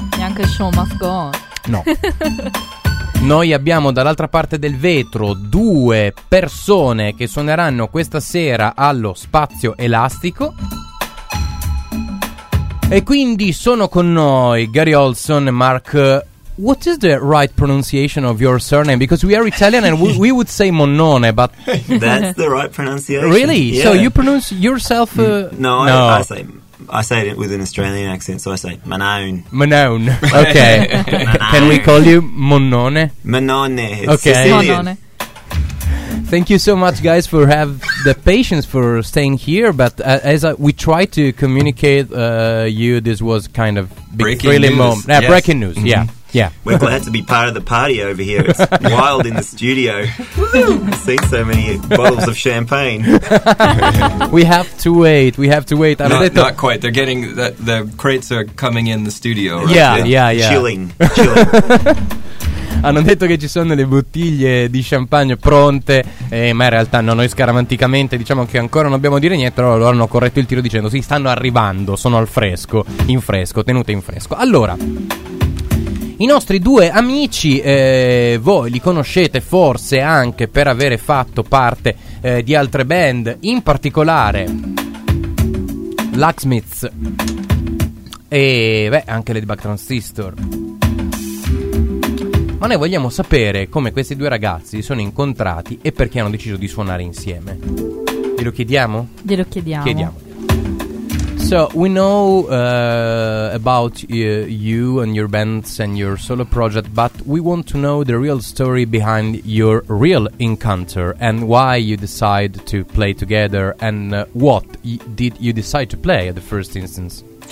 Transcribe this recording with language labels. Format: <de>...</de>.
<it>Neanche Show Must Go On. No. Noi abbiamo dall'altra parte del vetro due persone che suoneranno questa sera allo Spazio Elastico. E quindi sono con noi Gary Olson e Mark.</it> <en>What is the right pronunciation of your surname? Because we are Italian and we would say Monnone, but that's the right pronunciation. Really? Yeah. So you pronounce yourself? No. I say it with an Australian accent, so I say Manone. Manone. Okay. Manone. Can we call you Monnone? Manone. Okay. Manone. Thank you so much, guys, for have the patience for staying here. But we tried to communicate you, this was kind of breaking news. Moment. Yes. Breaking news. Mm-hmm. Yeah. Yeah. We're glad to be part of the party over here. It's wild in the studio. I've seen so many bottles of champagne. We have to wait. Not quite. They're getting the crates are coming in the studio. Right? Yeah. Chilling.</en> <it>Hanno detto che ci sono le bottiglie di champagne pronte, ma in realtà no, noi scaramanticamente diciamo che ancora non dobbiamo dire niente, però loro hanno corretto il tiro dicendo sì, stanno arrivando, sono al fresco, in fresco, tenute in fresco. Allora, i nostri due amici, voi li conoscete forse anche per avere fatto parte di altre band, in particolare Lucksmiths e anche Ladybug Transistor. Ma noi vogliamo sapere come questi due ragazzi si sono incontrati e perché hanno deciso di suonare insieme. Glielo chiediamo? Glielo chiediamo. Chiediamo.</it> <en>So we know about you and your bands and your solo project, but we want to know the real story behind your real encounter and why you decide to play together and what did you decide to play at the first instance?</en>